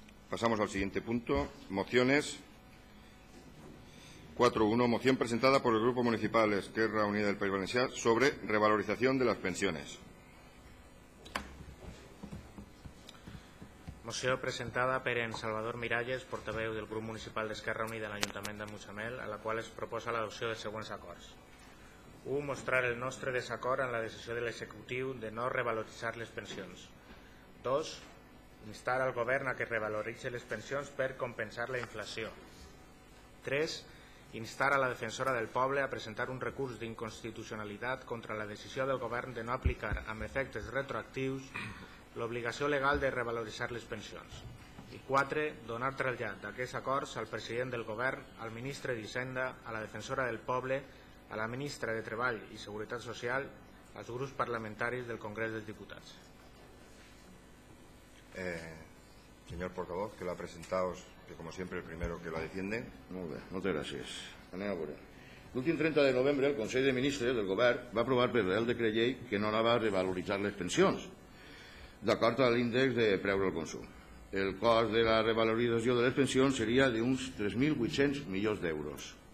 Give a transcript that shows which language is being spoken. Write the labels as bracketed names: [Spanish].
[Spanish] Pasamos al siguiente punto. Mociones. 4.1. Moción presentada por el Grupo Municipal Esquerra Unida del País Valenciano sobre revalorización de las pensiones. [Catalan] Moció presentada per en Salvador Miralles, portaveu del Grup Municipal d'Esquerra Unida de l'Ajuntament de Mutxamel, a la qual es proposa l'adopció de següents acords. 1. Mostrar el nostre desacord en la decisió de l'executiu de no revaloritzar les pensions. 2. Instar al govern a que revaloritzi les pensions per compensar la inflació. 3. Instar a la defensora del poble a presentar un recurs d'inconstitucionalitat contra la decisió del govern de no aplicar amb efectes retroactius l'obligació legal de revaloritzar les pensions. I 4. Donar trasllat d'aquests acords al president del govern, al ministre d'Hisenda, a la defensora del poble, a la ministra de Treball i Seguretat Social, als grups parlamentaris del Congrés dels Diputats. [Spanish] Señor portavoz, que la presentaos, que como siempre el primero que la defiende. Muy bien, muchas gracias. [Catalan] L'últim 30 de novembre el Consell de Ministres del Govern va aprovar per real decret llei que no anava a revaloritzar les pensions d'acord amb l'índex de preu del consum. El cost de la revalorització de les pensions seria d'uns 3.800 milions d'euros.